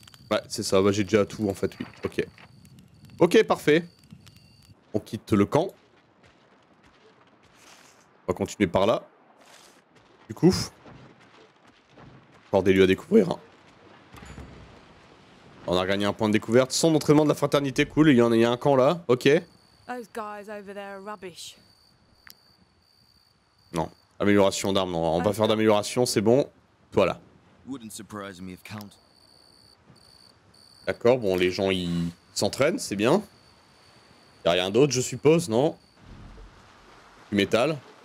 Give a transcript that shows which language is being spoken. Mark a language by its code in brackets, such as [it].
[fr] Ouais, c'est ça, bah j'ai déjà tout, en fait, oui, ok. Ok, parfait. On quitte le camp. On va continuer par là. Du coup, encore des lieux à découvrir. On a gagné un point de découverte. Centre d'entraînement de la fraternité, cool. Il y a un camp là, ok. [en] Those guys over there are rubbish. [fr] Non, amélioration d'armes, non. On va faire d'amélioration, c'est bon. Voilà. D'accord, bon, les gens ils s'entraînent, c'est bien. Y'a rien d'autre, je suppose, non? Du métal.